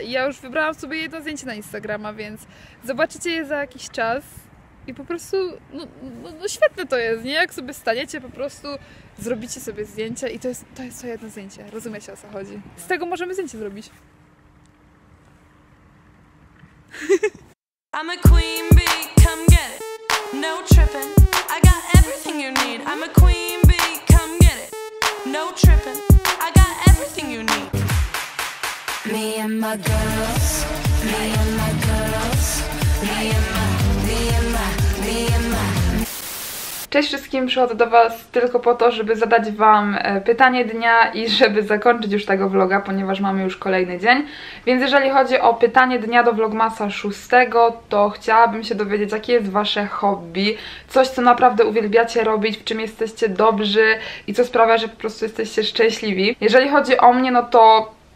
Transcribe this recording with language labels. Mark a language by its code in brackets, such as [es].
[pl] I ja już wybrałam sobie jedno zdjęcie na Instagrama, więc zobaczycie je za jakiś czas i po prostu no świetne to jest, nie? Jak sobie staniecie, po prostu zrobicie sobie zdjęcie i to jest to jedno zdjęcie. Rozumiecie, o co chodzi. Z tego możemy zdjęcie zrobić. [en] I'm a queen bee, come get it. No tripping. I got everything you need. I'm a queen bee, come get it. No tripping. I got everything you need. Me and my girls, me and my girls, me and my, me and my, me and my. [pl] Cześć wszystkim, przychodzę do was tylko po to, żeby zadać wam pytanie dnia i żeby zakończyć już tego vloga, ponieważ mamy już kolejny dzień. Więc jeżeli chodzi o pytanie dnia do vlogmasa 6, to chciałabym się dowiedzieć, jakie jest wasze hobby. Coś, co naprawdę uwielbiacie robić, w czym jesteście dobrzy i co sprawia, że po prostu jesteście szczęśliwi. Jeżeli chodzi o mnie, no to